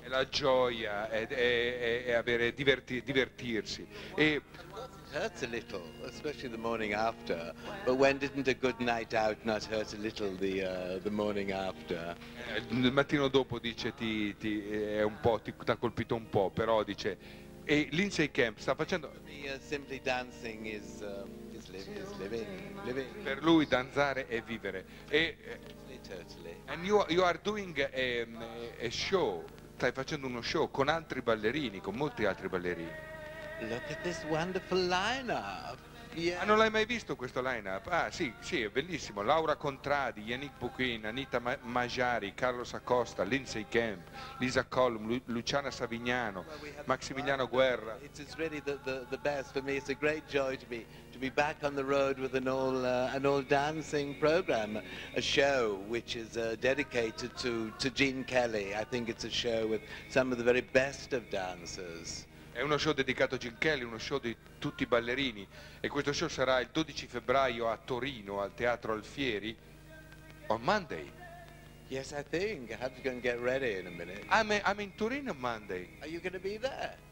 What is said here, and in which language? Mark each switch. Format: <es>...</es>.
<it>È la gioia, è avere divertirsi. E</it> <en>it hurts a little, especially the morning after. But when didn't a good night out not hurt a little the morning after?</en> <it>Il mattino dopo dice ti è un po' ti ha colpito un po', però dice e Lindsay Kemp sta facendo.</it> <en>Simply dancing is living.</en> <it>Per lui danzare è vivere. E</it> <en>totally. And you are doing a show.</en> <it>Stai facendo uno show con altri ballerini, con molti altri ballerini.</it> <en>Look at this wonderful lineup. Yeah.</en> <it>Ah, non l'hai mai visto questo lineup? Ah, sì, è bellissimo. Laura Contradi, Yannick Bouquin, Anita Magiari, Carlos Acosta, Lindsay Kemp, Lisa Collum, Luciana Savignano, Maximiliano Guerra.</it> <en>It's really the best for me. It's a great joy to be back on the road with an all dancing program, a show which is dedicated to Gene Kelly. I think it's a show with some of the very best of dancers.</en> <it>È uno show dedicato a Gene Kelly, uno show di tutti i ballerini e questo show sarà il 12 febbraio a Torino al Teatro Alfieri on Monday.</it> <en>Yes, I think. I have to go and get ready in a minute. I'm in Torino on Monday. Are you going to be there?</en>